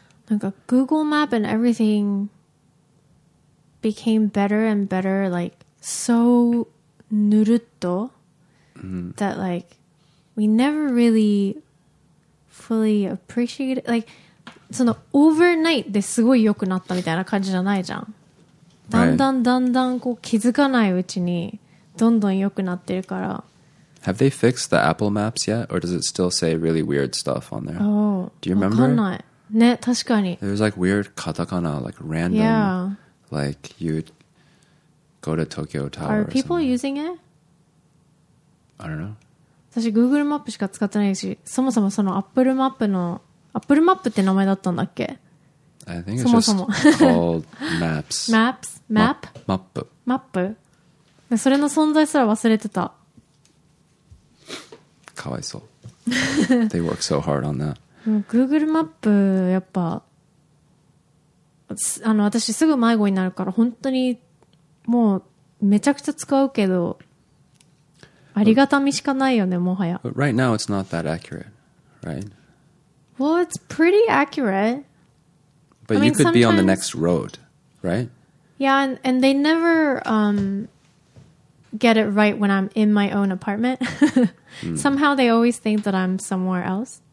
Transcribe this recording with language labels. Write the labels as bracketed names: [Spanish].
[English] Like a Google map and everything became better and better, like so nurutto that like we never really fully appreciated. [Japanese] Like, その overnight ですごい良くなったみたいな感じじゃないじゃん。だんだんだんだんこう気づかないうちにどんどん良くなってるから。 [English] Have they fixed the Apple Maps yet? Or does it still say really weird stuff on there? Oh, do you remember? [Japanese] ね、確かに。 [English] There's like weird katakana, like random. Yeah. Like you'd go to Tokyo Tower. Are people using it? I don't know. [Japanese] 私 Google マップしか使ってないし、そもそもその Apple マップの、Apple マップって名前だったんだっけ? [English] I think it's just called Maps. Maps? Map? Map. Map? [Japanese] それの存在すら忘れてた。かわいそう。 [English] They work so hard on that. [Japanese] Google マップやっぱあの私すぐ迷子になるから本当にもうめちゃくちゃ使うけどありがたみしかないよねもはや。 [English] But right now it's not that accurate, right? Well, it's pretty accurate. But I mean, you could be on the next road, right? Yeah, and they never get it right when I'm in my own apartment. Somehow they always think that I'm somewhere else.